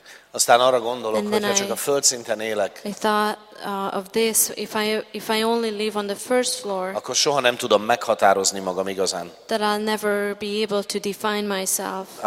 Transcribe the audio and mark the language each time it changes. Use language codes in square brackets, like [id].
[hu] Aztán arra gondolok, hogy csak a földszinten élek. [en] I thought of this if I only live on the first floor. [hu] Akkor soha nem tudom meghatározni magam igazán. [en] That I'll never be able to define myself.